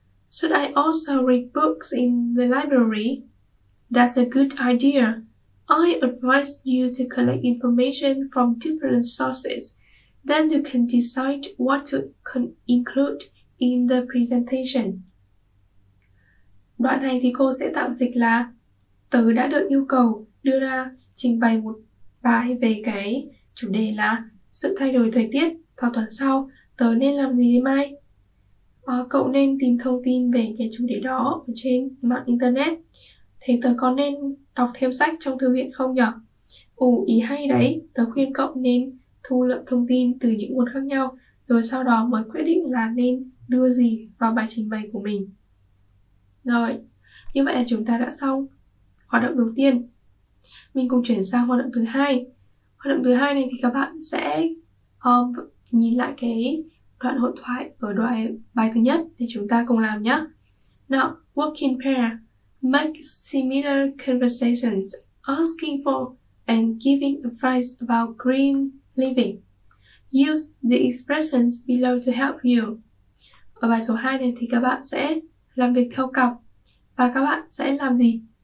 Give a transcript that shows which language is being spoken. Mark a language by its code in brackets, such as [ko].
[en] Should I also read books in the library? That's a good idea. I advise you to collect information from different sources. Then you can decide what to include in the presentation. [vi] Đoạn này thì cô sẽ tạm dịch là tớ đã được yêu cầu đưa ra trình bày một bài về cái chủ đề là sự thay đổi thời tiết vào tuần sau, tớ nên làm gì đấy Mai? Cậu nên tìm thông tin về cái chủ đề đó ở trên mạng internet. Thế tớ có nên đọc thêm sách trong thư viện không nhở? Ồ, ý hay đấy, tớ khuyên cậu nên thu lượng thông tin từ những nguồn khác nhau, rồi sau đó mới quyết định là nên đưa gì vào bài trình bày của mình. Rồi, như vậy là chúng ta đã xong hoạt động đầu tiên. Mình cùng chuyển sang hoạt động thứ hai. Hoạt động thứ hai này thì các bạn sẽ nhìn lại cái đoạn hội thoại ở đoạn bài thứ nhất để chúng ta cùng làm nhé. [en] Now, work in pair. Make similar conversations, asking for and giving advice about green living. Use the expressions below to help you. [vi] Ở bài số 2 này thì các bạn sẽ làm việc theo cặp. Và các bạn sẽ làm gì?